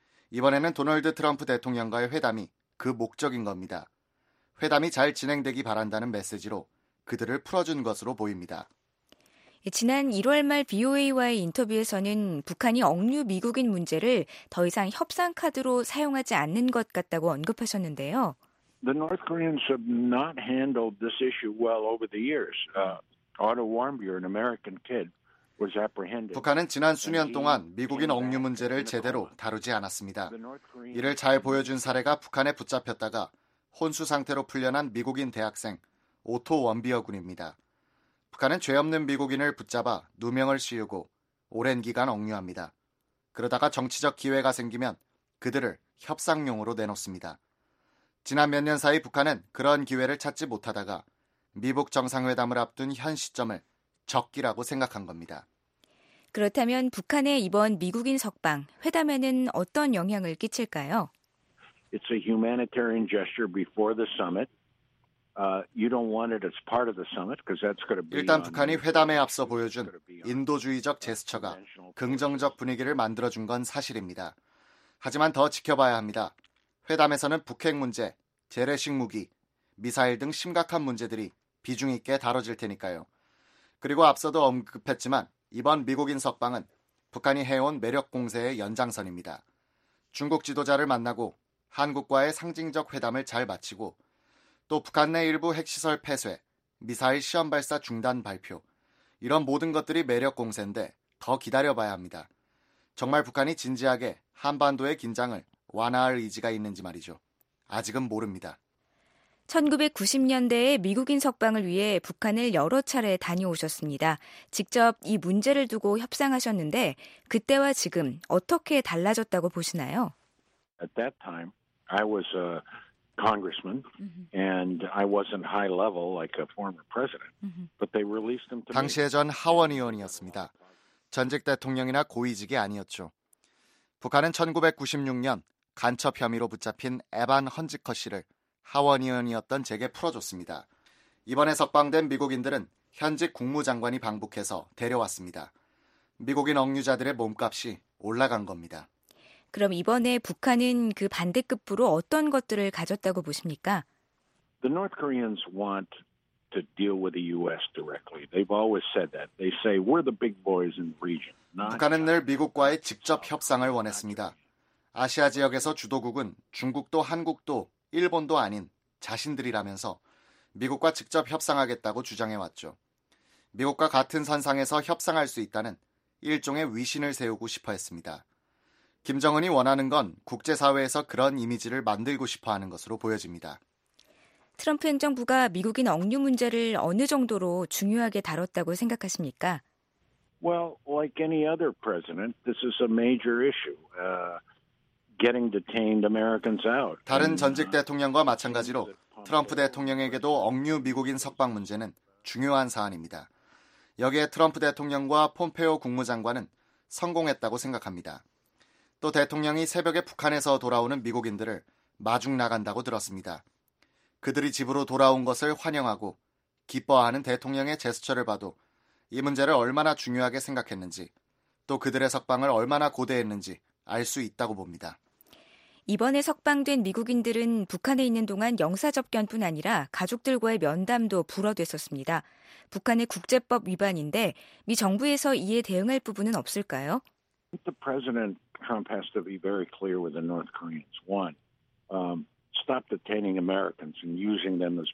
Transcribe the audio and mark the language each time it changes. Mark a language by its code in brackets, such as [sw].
[ko] 이번에는 도널드 트럼프 대통령과의 회담이 그 목적인 겁니다. 회담이 잘 진행되기 바란다는 메시지로 그들을 풀어준 것으로 보입니다. 지난 1월 말 BOA와의 인터뷰에서는 북한이 억류 미국인 문제를 더 이상 협상 카드로 사용하지 않는 것 같다고 언급하셨는데요. [en] The North Koreans have not handled this issue well over the years. Otto Warmbier, an American kid, was apprehended. [ko] 북한은 지난 수년 동안 미국인 억류 문제를 제대로 다루지 않았습니다. 이를 잘 보여준 사례가 북한에 붙잡혔다가 혼수 상태로 풀려난 미국인 대학생 오토 원비어 군입니다. 북한은 죄 없는 미국인을 붙잡아 누명을 씌우고 오랜 기간 억류합니다. 그러다가 정치적 기회가 생기면 그들을 협상용으로 내놓습니다. 지난 몇 년 사이 북한은 그런 기회를 찾지 못하다가 미북 정상회담을 앞둔 현 시점을 적기라고 생각한 겁니다. 그렇다면 북한의 이번 미국인 석방 회담에는 어떤 영향을 끼칠까요? [en] It's a humanitarian gesture before the summit. You don't want it as part of the summit because that's going to be [ko] 일단 북한이 회담에 앞서 보여준 인도주의적 제스처가 긍정적 분위기를 만들어 준 건 사실입니다. 하지만 더 지켜봐야 합니다. 회담에서는 북핵 문제, 재래식 무기, 미사일 등 심각한 문제들이 비중 있게 다뤄질 테니까요. 그리고 앞서도 언급했지만 이번 미국인 석방은 북한이 해온 매력 공세의 연장선입니다. 중국 지도자를 만나고 한국과의 상징적 회담을 잘 마치고 또 북한 내 일부 핵시설 폐쇄, 미사일 시험 발사 중단 발표, 이런 모든 것들이 매력 공세인데 더 기다려봐야 합니다. 정말 북한이 진지하게 한반도의 긴장을 완화할 의지가 있는지 말이죠. 아직은 모릅니다. 1990년대에 미국인 석방을 위해 북한을 여러 차례 다녀오셨습니다. 직접 이 문제를 두고 협상하셨는데 그때와 지금 어떻게 달라졌다고 보시나요? [en] At that time, I was a congressman, and I wasn't high level like a former president. But they released him to me. [ko] 당시에 전 하원 의원이었습니다. 전직 대통령이나 고위직이 아니었죠. 북한은 1996년 간첩 혐의로 붙잡힌 에반 헌지커 씨를 하원 의원이었던 제게 풀어줬습니다. 이번에 석방된 미국인들은 현직 국무장관이 방북해서 데려왔습니다. 미국인 억류자들의 몸값이 올라간 겁니다. 그럼 이번에 북한은 그 반대급부로 어떤 것들을 가졌다고 보십니까? [en] The North Koreans want to deal with the U.S. directly. They've always said that. They say we're the big boys in the region. [ko] 북한은 늘 미국과의 직접 협상을 원했습니다. 아시아 지역에서 주도국은 중국도 한국도 일본도 아닌 자신들이라면서 미국과 직접 협상하겠다고 주장해왔죠. 미국과 같은 선상에서 협상할 수 있다는 일종의 위신을 세우고 싶어했습니다. 김정은이 원하는 건 국제사회에서 그런 이미지를 만들고 싶어하는 것으로 보여집니다. 트럼프 행정부가 미국인 억류 문제를 어느 정도로 중요하게 다뤘다고 생각하십니까? [en] Well, like any other president, this is a major issue. Getting detained Americans out. [ko] 다른 전직 대통령과 마찬가지로 트럼프 대통령에게도 억류 미국인 석방 문제는 중요한 사안입니다. 여기에 트럼프 대통령과 폼페오 국무장관은 성공했다고 생각합니다. 또 대통령이 새벽에 북한에서 돌아오는 미국인들을 마중 나간다고 들었습니다. 그들이 집으로 돌아온 것을 환영하고 기뻐하는 대통령의 제스처를 봐도 이 문제를 얼마나 중요하게 생각했는지 또 그들의 석방을 얼마나 고대했는지 알 수 있다고 봅니다. 이번에 석방된 미국인들은 북한에 있는 동안 영사 접견뿐 아니라 가족들과의 면담도 불허됐었습니다. 북한의 국제법 위반인데 미 정부에서 이에 대응할 부분은 없을까요? [en] The President Trump has to be very clear with the North Koreans. One, stop detaining Americans and using them as